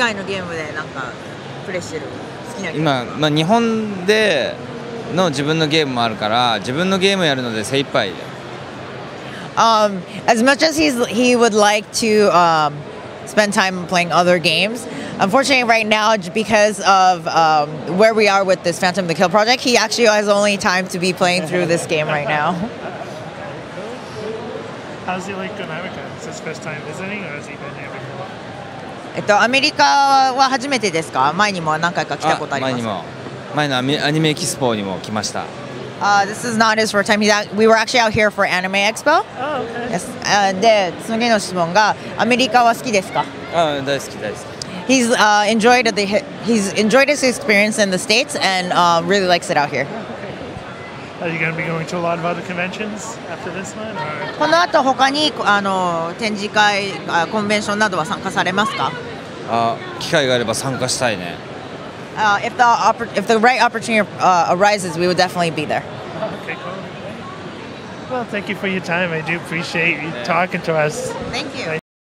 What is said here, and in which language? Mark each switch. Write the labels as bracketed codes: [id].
[ja] 日々ファンキル以外のゲームでなんかプレイしてる好きなゲーム。今、まあ、日本での自分のゲームもあるから自分のゲームやるので精一杯で。 [en] As much as he would like to spend time playing other games, unfortunately right now because of where we are with this Phantom the Kill project, he actually has only time to be playing through this game right now. How's he like in America? Is this his first time visiting or has he been here before? [ja] アメリカは初めてですか？前にも何回か来たことあります。前にも前のアニメエキスポにも来ました。 [en] This is not his first time. We were actually out here for Anime Expo. Oh, okay. Yes. [ja] で、次の質問がアメリカは好きですか？大好き大好き。 [en] He's enjoyed his experience in the States and really likes it out here. Are you going to be going to a lot of other conventions after this one? [ja] この後他に展示会、コンベンションなどは参加されますか？機会があれば参加したいね。 [en] If the right opportunity arises, we would definitely be there. Okay, cool. Well, thank you for your time. I do appreciate you talking to us. Thank you.